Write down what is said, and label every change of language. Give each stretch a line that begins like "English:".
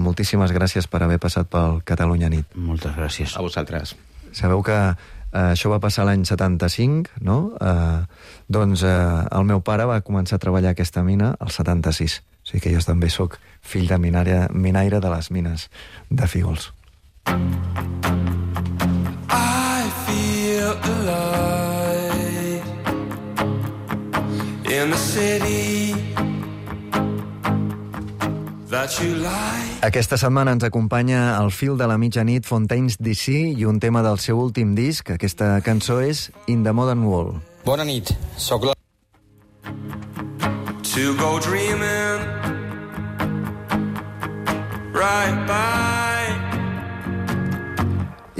Catalan: Moltíssimes gràcies per haver passat pel Catalunya Nit. Moltes gràcies. A vosaltres. Sabeu que això va passar l'any 75, no? El meu pare va començar a treballar aquesta mina el 76. O sigui que jo també sóc fill de minaire de les mines de Fígols.
English: I feel the light in the city that you like.
Catalan: Aquesta setmana ens acompanya al fil de la mitjanit Fontaine's DC i un tema del seu últim disc. Aquesta cançó és In the Modern World. Bona nit, sóc la...
English: To go dreaming right by.